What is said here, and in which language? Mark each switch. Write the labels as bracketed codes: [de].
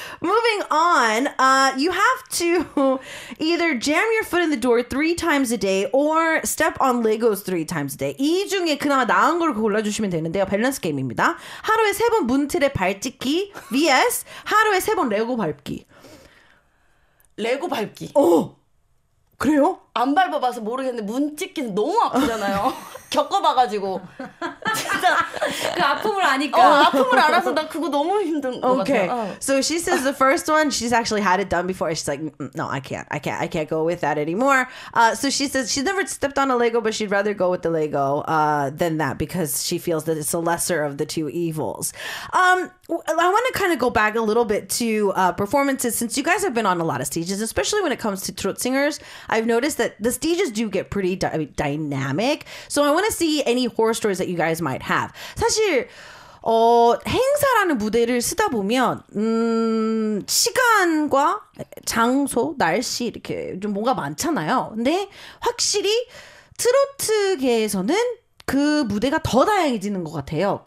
[en] Moving on, you have to either jam your foot in the door 3 times a day or step on Legos 3 times a day. [ko] 이 중에 그나마 나은 걸 골라주시면 되는데요. 밸런스 게임입니다. 하루에 3번 문틀에 발 찍기 vs 하루에 3번 레고 밟기. 레고 밟기. 오! 그래요? 안 밟아봐서 모르겠는데 문 찍기는 너무 아프잖아요. 겪어봐가지고 진짜 그 아픔을 아니까 아픔을 알아서 나 그거 너무 힘든 것 [en] okay. [ko] 같아요. [en] So she says the first one she's actually had it done before. She's like, no, I can't go with that anymore. So she says she's never stepped on a Lego, but she'd rather go with the Lego than that because she feels that it's the lesser of the two evils. I want to kind of go back a little bit to performances since you guys have been on a lot of stages, especially when it comes to Trot Singers. I've noticed that the stages do get pretty dynamic. So I want to see any horror stories that you guys might have. [ko] 사실 행사라는 무대를 쓰다 보면 시간과 장소, 날씨 이렇게 좀 뭔가 많잖아요. 근데 확실히 트로트계에서는 그 무대가 더 다양해지는 것 같아요.